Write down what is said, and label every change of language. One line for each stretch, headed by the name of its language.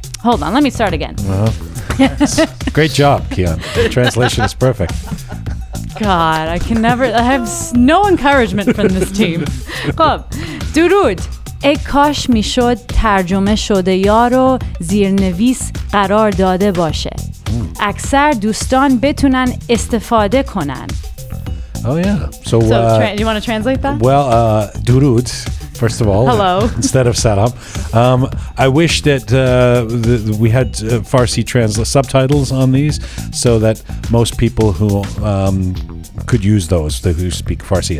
English: Hold on, let me start again. Great job, Kian. Translation is perfect. God, I can never... I have no encouragement from this team.
Persian: خب, "Durud, ای کاش میشد ترجمه شده یارو زیرنویس قرار داده باشه. اکثر دوستان بتونن استفاده کنن."
English: Oh, yeah. So you want to translate that? Well, durud. first of all. Hello. Instead of Salam. I wish that we had Farsi subtitles on these so that most people who could use those, who speak Farsi.